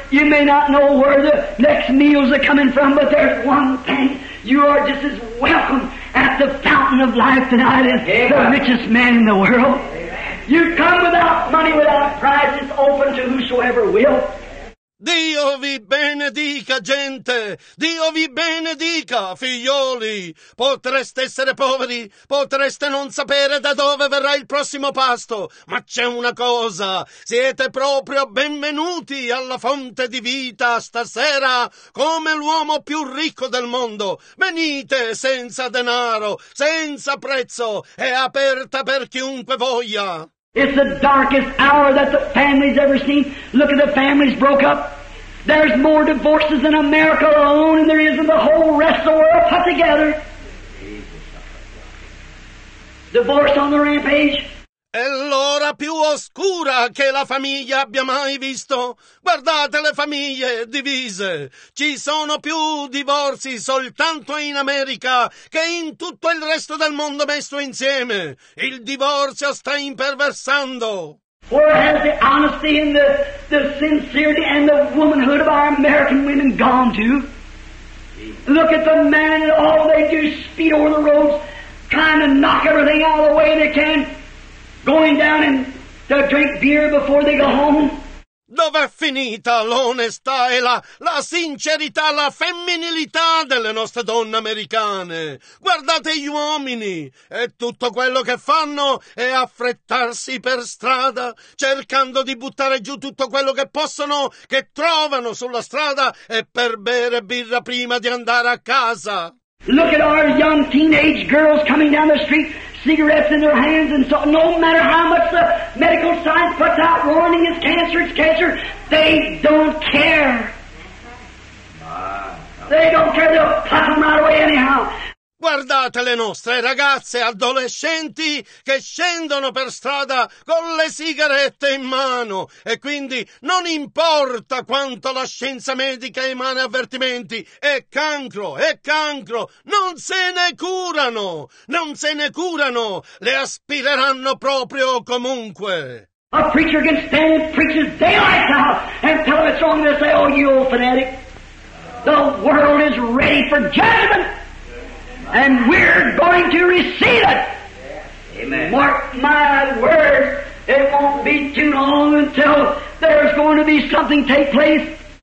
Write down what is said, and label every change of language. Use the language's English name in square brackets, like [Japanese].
[English] You may not know where the next meals are coming from, but there's one thing. You are just as welcome at the fountain of life tonight as Amen. The richest man in the world. You come without money, without price, it's open to whosoever will. [Italian] Dio vi benedica, gente! Dio vi benedica, figlioli! Potreste essere poveri, potreste non sapere da dove verrà il prossimo pasto, ma c'è una cosa, siete proprio benvenuti alla fonte di vita stasera come l'uomo più ricco del mondo. Venite senza denaro, senza prezzo, è aperta per chiunque voglia. [English] It's the darkest hour that the family's ever seen. Look at the families broke up. There's more divorces in America alone than there is in the whole rest of the world put together. Divorce on the rampage. [Italian] È l'ora più oscura che la famiglia abbia mai visto. Guardate le famiglie divise. Ci sono più divorzi soltanto in America che in tutto il resto del mondo messo insieme. Il divorzio sta imperversando. [English] Where has the honesty and the sincerity and the womanhood of our American women gone to? Look at the men and all they do speed over the roads trying to knock everything out of the way they can. Going down and to drink beer before they go home. [Italian] Dov'è finita l'onestà e la sincerità, la femminilità delle nostre donne americane? Guardate gli uomini, e tutto quello che fanno è affrettarsi per strada, cercando di buttare giù tutto quello che possono, che trovano sulla strada, e per bere birra prima di andare a casa. [English] Look at our young teenage girls coming down the street, cigarettes in their hands, and so no matter how much the medical science puts out warning it's cancer, they don't care. They don't care, they'll pluck them right away anyhow. [Italian] Guardate le nostre ragazze adolescenti che scendono per strada con le sigarette in mano e quindi non importa quanto la scienza medica emana avvertimenti, è cancro, non se ne curano, non se ne curano, le aspireranno proprio comunque. [English] A preacher can stand and preach his daylight out and tell them it's wrong to say, oh, you old fanatic, the world is ready for judgment. And we're going to receive it. Amen. Mark my words, it won't be too long until there's going to be something take place.